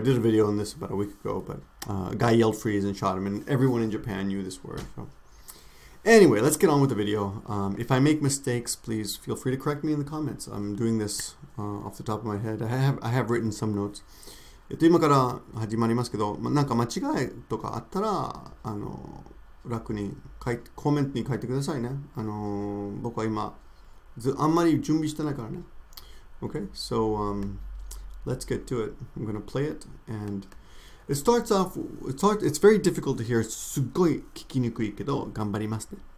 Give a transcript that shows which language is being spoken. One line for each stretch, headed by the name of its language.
English: I did a video on this about a week ago, but a guy yelled freeze and shot him, and everyone in Japan knew this word. So. Anyway, let's get on with the video. If I make mistakes, please feel free to correct me in the comments. I'm doing this off the top of my head. I have written some notes.
Japanese: 今から始まりますけど、なんか間違いとかあったら、楽に書いて、コメントに書いてくださいね。僕は今、あんまり準備してないからね。
English: Okay, so... Let's get to it. I'm going to play it. And it starts off, it's very difficult to hear.
Japanese: すごい聞きにくいけど、頑張りますね。